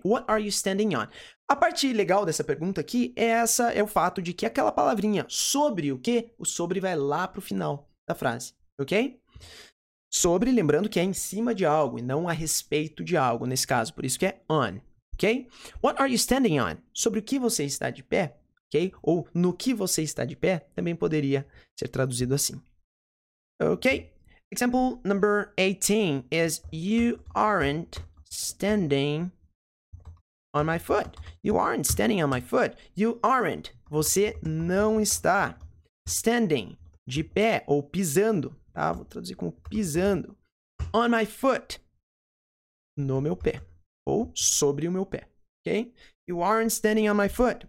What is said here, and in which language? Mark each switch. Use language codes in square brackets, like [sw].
[en] What are you standing on? [pt] A parte legal dessa pergunta aqui é essa, é o fato de que aquela palavrinha sobre o quê, o sobre vai lá pro final da frase, ok? Sobre, lembrando que é em cima de algo e não a respeito de algo, nesse caso, por isso que é on, ok? [en] What are you standing on? [pt] Sobre o que você está de pé, ok? Ou no que você está de pé, também poderia ser traduzido assim, ok? [en] Example number 18 is you aren't standing on my foot. You aren't standing on my foot. You aren't. [pt] Você não está standing de pé ou pisando. Tá? Vou traduzir como pisando. [en] On my foot. [pt] No meu pé. Ou sobre o meu pé. Ok? [en] You aren't standing on my foot.